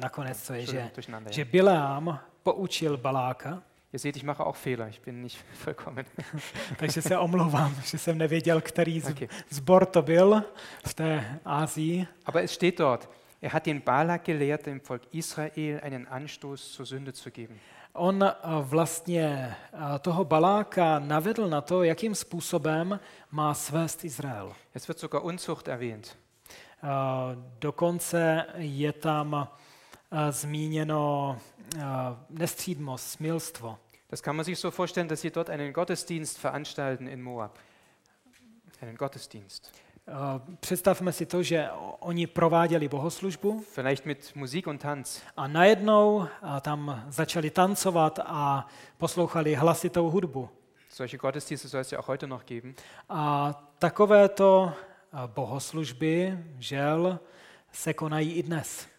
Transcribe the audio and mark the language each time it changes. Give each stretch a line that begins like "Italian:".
Czech: nakonec to je, že Biliam poučil Baláka.
German: Ihr seht, ich mache auch Fehler, ich bin nicht vollkommen.
Czech: Takže se omlouvám, že jsem nevěděl, který sbor to byl v té Asii.
German: Aber es steht dort, er hat den Balak gelehrt, dem Volk Israel einen Anstoß zur Sünde zu geben.
Czech: On vlastně toho Baláka navedl na to, jakým způsobem má svést Izrael.
German: Es wird sogar Unzucht erwähnt.
Czech: Dokonce je tam zmíněno nestřídmost, smilstvo.
German: Das kann man sich so vorstellen, dass sie dort einen Gottesdienst veranstalten in Moab. Einen Gottesdienst.
Czech: Představme si to, že oni prováděli bohoslužbu.
German: Vielleicht mit Musik und Tanz.
Czech: A najednou tam začali tancovat a poslouchali hlasitou hudbu.
German: Solche Gottesdienste soll es ja auch heute noch geben.
Czech: A takovéto bohoslužby, žel, se konají i dnes.